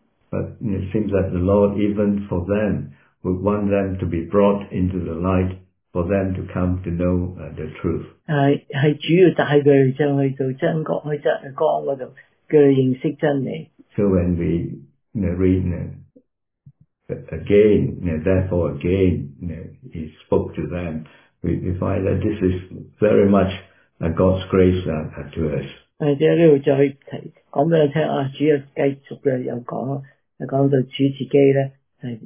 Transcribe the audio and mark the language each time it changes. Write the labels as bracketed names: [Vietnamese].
[English] But it seems that the Lord, even for them, would want them to be brought into the light, for them to come to know the truth. [Chinese] 是主要帶他們去真光那裡,叫他們認識真理。 [English] So when we read again, therefore again, he spoke to them, we find that this is very much God's grace to us. [Chinese] 在這裡再說給我聽,主要繼續又說到主自己呢,